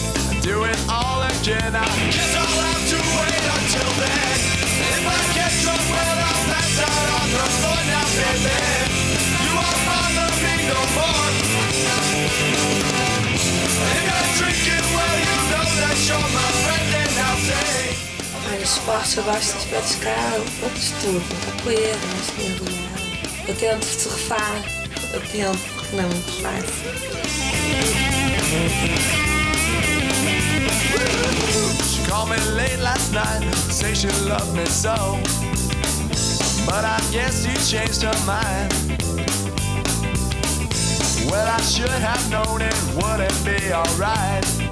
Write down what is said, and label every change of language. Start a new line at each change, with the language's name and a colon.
English: I do it all again. I guess I'll have to wait until then. If I get drunk, well, I'll pass out on the floor now, baby. You won't bother me no more. If I drink it, well, you know that you're my friend and I'll say.
Portuguese: Esporte, eu gosto de praticar um pouco de tudo. Capoeira, mas mergulhar. Eu tento surfar, eu tento, porque não é muito fácil.
English: She called me late last night, say she loved me so. But I guess you changed her mind. Well, I should have known it wouldn't be alright.